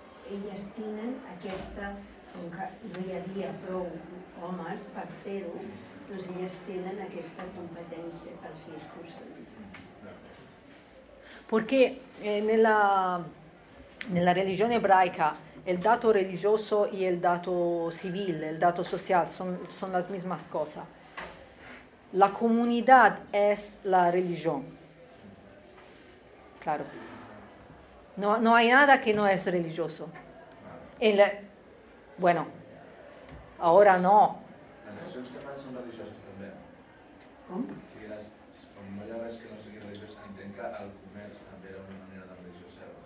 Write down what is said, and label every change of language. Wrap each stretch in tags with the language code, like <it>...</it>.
<es>Ellas tienen</es> <ca>aquesta, com que no hi havia prou homes per fer-ho, doncs elles tenen aquesta competència per si és possible. Perquè</ca> <it>nella religione ebraica il dato religioso e il dato civile, il dato sociale, sono la stessa cosa. La comunità è la religione.</it> <es>Claro. No hay nada que no es religioso. Bueno, ahora no. Las acciones que hacen son religiosas también. ¿Cómo? Si como no hay res que no sea religioso, entiendo que el comercio también era una manera de religiosa.</es>